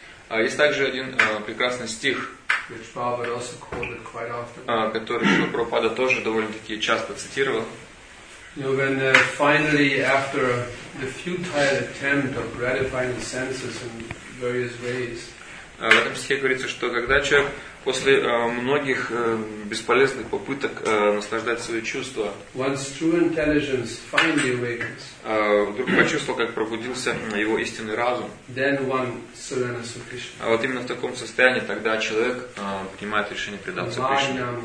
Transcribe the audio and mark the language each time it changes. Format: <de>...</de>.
<ru>Есть также один прекрасный стих, который Шрила Прабхупада тоже довольно-таки часто цитировал.</ru> <en>You know, when finally, after the futile attempt of gratifying the senses in various ways.</en> <ru>В этом стихе говорится, что когда человек после многих бесполезных попыток наслаждать свои чувства, вдруг почувствовал, как пробудился его истинный разум, а вот именно в таком состоянии тогда человек принимает решение предаться Кришне.</ru>